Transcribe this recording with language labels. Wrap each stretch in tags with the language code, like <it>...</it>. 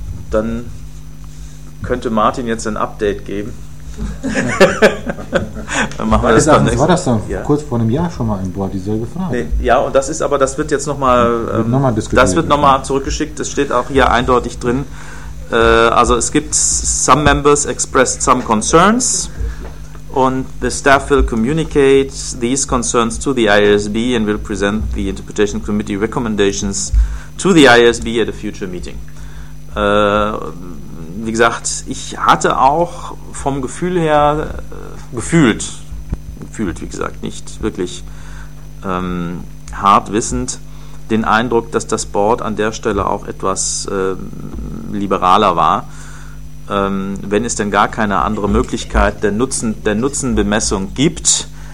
<de>Dann könnte Martin jetzt ein Update geben. Dann machen wir das dann. War das dann ja kurz vor einem Jahr schon mal ein Board, dieselbe Frage? Nee, ja, und das ist aber, das wird jetzt nochmal noch mal zurückgeschickt, das steht auch hier eindeutig drin. Also es gibt,</de> <en>some members expressed some concerns and the staff will communicate these concerns to the ISB and will present the interpretation committee recommendations to the ISB at a future meeting.</en> <de>Wie gesagt, ich hatte auch vom Gefühl her gefühlt, wie gesagt, nicht wirklich hart wissend, den Eindruck, dass das Board an der Stelle auch etwas liberaler war, wenn es denn gar keine andere Möglichkeit der Nutzenbemessung gibt.</de>